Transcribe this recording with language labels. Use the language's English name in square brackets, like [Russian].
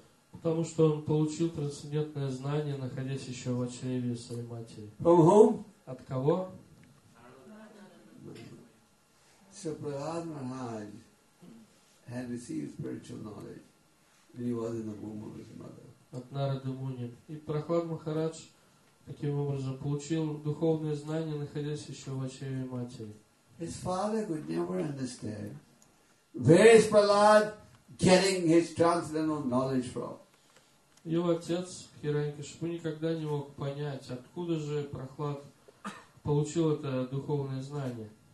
[Russian] Потому что он получил трансцендентное знание, находясь еще в чреве своей матери. [English] From whom? [Russian] От кого? [English] So Prahlad Maharaj had received spiritual knowledge when he was in the womb of his mother. [Russian] От Нарады Муни. И Прахлад Махарадж таким образом получил духовные знания, находясь еще в чреве матери. [English] His father could never understand where is Prahlad getting his transcendental knowledge from. [Russian] Его отец Хираньякашипу никогда не мог понять, откуда же Прахлад получил это духовное знание.